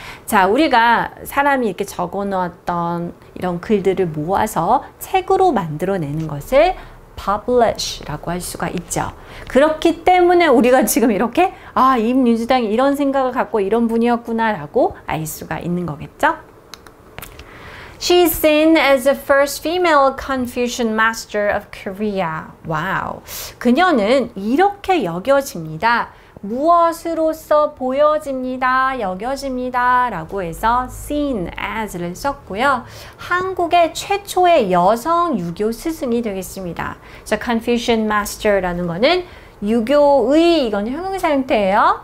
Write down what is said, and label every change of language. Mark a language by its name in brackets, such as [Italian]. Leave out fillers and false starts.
[Korean] 자, 우리가 사람이 이렇게 적어놓았던 이런 글들을 모아서 책으로 만들어내는 것을 publish라고 할 수가 있죠. 그렇기 때문에 우리가 지금 이렇게 아, 임윤지당이 이런 생각을 갖고 이런 분이었구나 라고 알 수가 있는 거겠죠. [English] She's seen as the first female Confucian master of Korea. [Korean] 와우. 그녀는 이렇게 여겨집니다. 무엇으로서 보여집니다, 여겨집니다 라고 해서 seen as를 썼고요. 한국의 최초의 여성 유교 스승이 되겠습니다. So Confucian master라는 거는 유교의, 이건 형용사 형태예요.